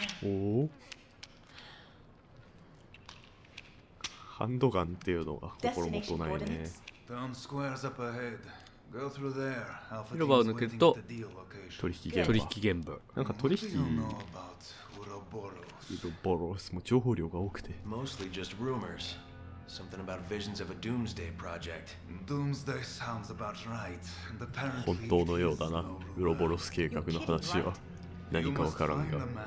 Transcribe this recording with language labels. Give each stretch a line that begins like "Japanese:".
Japanese: おお、ハンドガンっていうのが心もとないね。広場を抜けると取引現場。なんか取引、ウロボロスも情報量が多くて。
English: Mostly just rumors. Something about visions of a doomsday project. Doomsday sounds about right. And apparently,
Japanese: 本当のようだな、ウロボロス計画の話は。何かわからんが。